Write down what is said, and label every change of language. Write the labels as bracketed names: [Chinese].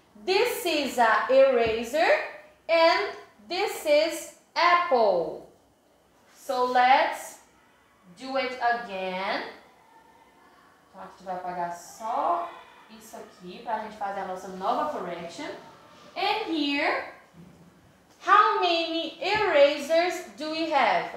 [English] This is a eraser and this is apple. So, let's do it again. [Portuguese] Então, aqui vai apagar só isso aqui para a gente fazer a nossa nova correction. [English] And here, how many erasers do we have?